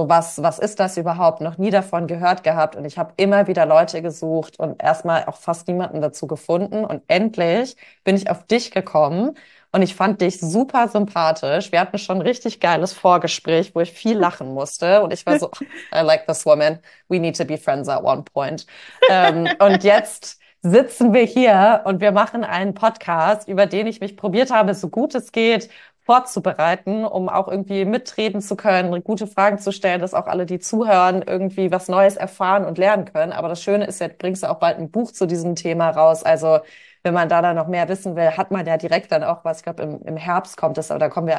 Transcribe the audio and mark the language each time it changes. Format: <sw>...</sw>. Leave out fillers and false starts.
<de>So, was ist das überhaupt? Noch nie davon gehört gehabt. Und ich habe immer wieder Leute gesucht und erstmal auch fast niemanden dazu gefunden. Und endlich bin ich auf dich gekommen und ich fand dich super sympathisch. Wir hatten schon ein richtig geiles Vorgespräch, wo ich viel lachen musste. Und ich war so,</de> <en>I like this woman. We need to be friends at one point.</en> <de>Und jetzt sitzen wir hier und wir machen einen Podcast, über den ich mich probiert habe, so gut es geht, vorzubereiten, um auch irgendwie mitreden zu können, gute Fragen zu stellen, dass auch alle, die zuhören, irgendwie was Neues erfahren und lernen können. Aber das Schöne ist, jetzt bringst du auch bald ein Buch zu diesem Thema raus. Also wenn man da dann noch mehr wissen will, hat man ja direkt dann auch was. Ich glaube, im Herbst kommt es, aber da kommen wir auch</de>